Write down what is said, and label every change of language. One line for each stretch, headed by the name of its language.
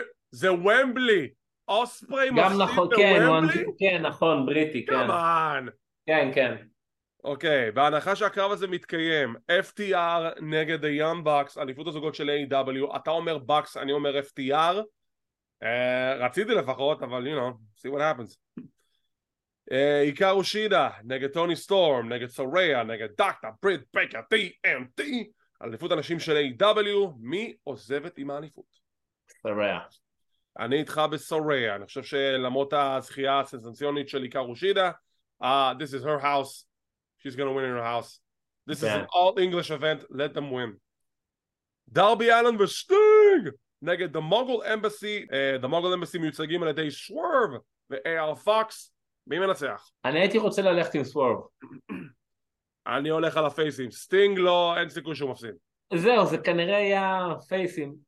Hebrew: זה ומבלי. אוספרי מפסיד בוומבלי? כן, נכון, בריטי, כן. כמאן. כן, כן. אוקיי, בהנחה שהקרב הזה מתקיים, FTR נגד ה-Young Bucks, אליפות הזוגות של AEW, אתה אומר Bucks, אני אומר FTR. רציתי לפחות, אבל,
English: you know, see what happens.
Hebrew: איקרו שידה נגד טוני סטורם, נגד סוריה, נגד דאקטה, בריט, בקר, TNT. אליפות הנשים של AEW, מי עוזבת עם האליפות? סוריה. אני איתך בסוריה, אני חושב שלמות הזכייה הסנסציונית של איקרו שידה,
English: this is her house, she's gonna win in her house. This is an all English event, let them win.
Hebrew: דרבי אלן וסטינג נגד The Mongol Embassy, The Mongol Embassy מיוצגים על ידי סוורב ו-AR Fox, מי מנצח? אני הייתי רוצה ללכת עם סוורב. אני הולך על הפייסים, סטינג לא, אין סיכוי שהוא מפסיד. זהו, זה כנראה היה פייסים.